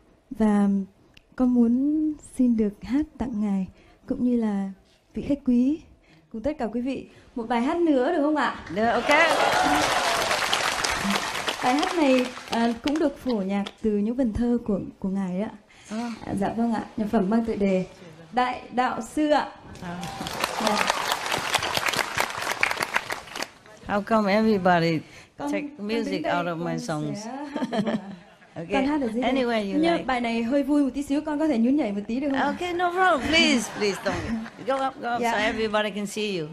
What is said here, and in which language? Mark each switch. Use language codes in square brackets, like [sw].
[vi] Và con muốn xin được hát tặng Ngài cũng như là vị khách quý cùng tất cả quý vị một bài hát nữa được không ạ? Được, ok. Bài hát này cũng được phổ nhạc từ những vần thơ của Ngài đó. Dạ vâng ạ, nhạc phẩm mang tựa đề Đại Đạo Sư ạ. [en] How come everybody take music out of my songs? Okay. Anyway, you [vi] nhưng [en] like. [vi] Bài này hơi vui một tí xíu, con có thể nhún nhảy một tí được không? [en] Okay, no problem. Please don't go up, go up, yeah. So everybody can see you.